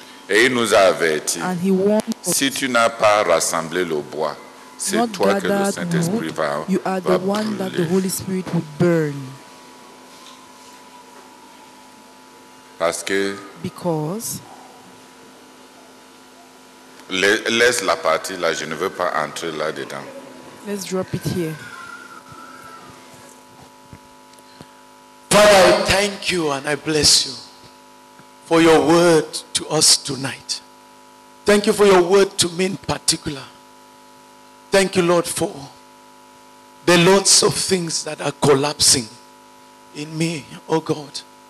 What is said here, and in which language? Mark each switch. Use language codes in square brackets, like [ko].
[fr] Et il nous a averti, si tu n'as pas rassemblé le bois, c'est [en] not [fr] toi que le Saint-Esprit va brûler. [en] You are the one that the Holy Spirit will burn. [fr] Parce que [en] because [fr] laisse la partie là, je ne veux pas entrer là-dedans. [en] Let's drop it here. Father, I thank you and I bless you for your word to us tonight. Thank you for your word to me in particular. Thank you, Lord, for the lots of things that are collapsing in me, oh God.